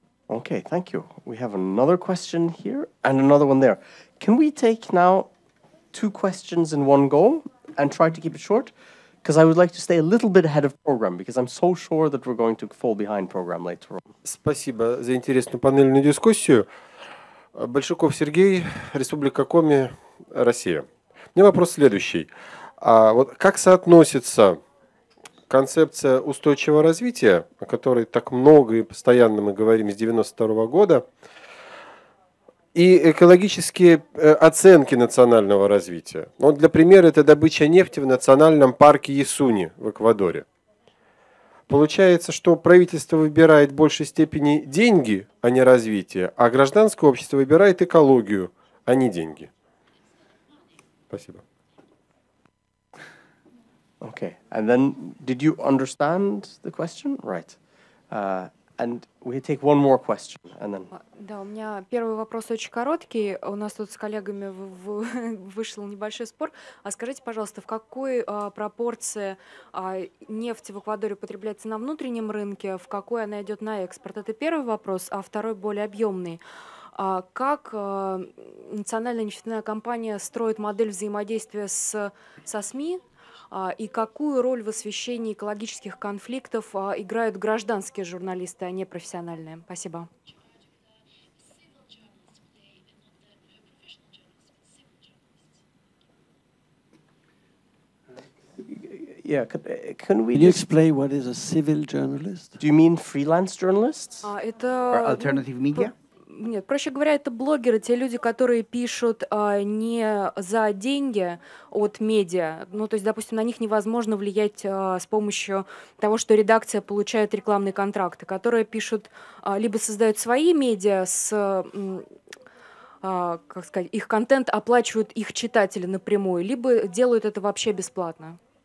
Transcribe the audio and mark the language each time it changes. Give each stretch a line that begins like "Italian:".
English: Okay, thank you. We have another question here and another one there. Can we take now 2 questions in one go and try to keep it short? Because I would like to stay a little bit ahead of program, because I'm so sure that we're going to fall behind program later on.
Russian: Спасибо за интересную панельную дискуссию. Большуков Сергей, Республика Коми, Россия. У меня вопрос следующий. А вот как соотносится концепция устойчивого развития, о которой так много и постоянно мы говорим с 92 года, и экологические оценки национального развития? Вот для примера, это добыча нефти в национальном парке Ясуни в Эквадоре. Получается, что правительство выбирает в большей степени деньги, а не развитие, а гражданское общество выбирает экологию, а не деньги. Спасибо.
English: Okay, and then did you understand the question? Right. And we take one more question, and then.
Russian: Да, у меня первый вопрос очень короткий. У нас тут с коллегами вышел небольшой спор. А скажите, пожалуйста, в какой пропорции нефть в Эквадоре потребляется на внутреннем рынке, в какой она идет на экспорт? Это первый вопрос, а второй более объемный. Как национальная нефтяная компания строит модель взаимодействия со СМИ? И какую роль в освещении экологических конфликтов играют гражданские журналисты, а не профессиональные? Спасибо.
English: Yeah, can we can you explain what is a civil journalist? Do you mean freelance journalists?
Russian: Это
English: or alternative media?
Russian: Нет, проще говоря, это блогеры, те люди, которые пишут не за деньги от медиа. Ну, то есть, допустим, на них невозможно влиять с помощью того, что редакция получает рекламные контракты, которые пишут, либо создают свои медиа с, как сказать, их контент оплачивают их читатели напрямую, либо делают это вообще бесплатно.